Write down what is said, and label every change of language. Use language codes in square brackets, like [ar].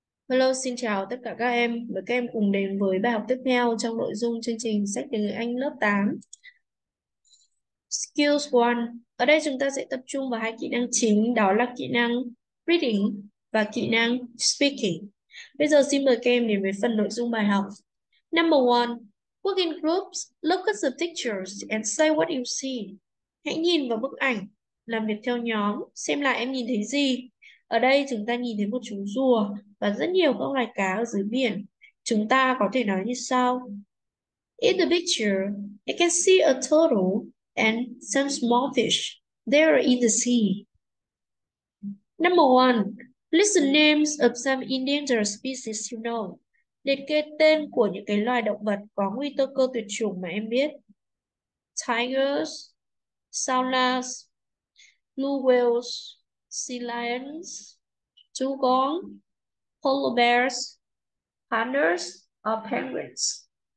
[vi] Hello, xin chào tất cả các em. Mời các em cùng đến với bài học tiếp theo trong nội dung chương trình sách tiếng người Anh lớp 8. Skills 1. Ở đây chúng ta sẽ tập trung vào hai kỹ năng chính, đó là kỹ năng reading và kỹ năng speaking. Bây giờ xin mời các em đến với phần nội dung bài học. [en] Number 1. Work in groups, look at the pictures and say what you see. [vi] Hãy nhìn vào bức ảnh, làm việc theo nhóm, xem lại em nhìn thấy gì. Ở đây chúng ta nhìn thấy một chú rùa và rất nhiều các loài cá ở dưới biển. Chúng ta có thể nói như sau. [en] In the picture, I can see a turtle and some small fish. They are in the sea. Number 1, list the names of some endangered species you know. [vi] Liệt kê tên của những cái loài động vật có nguy cơ cơ tuyệt chủng mà em biết. [en] Tigers, saunas, blue whales, sea lions, dugong, polar bears, pandas or penguins.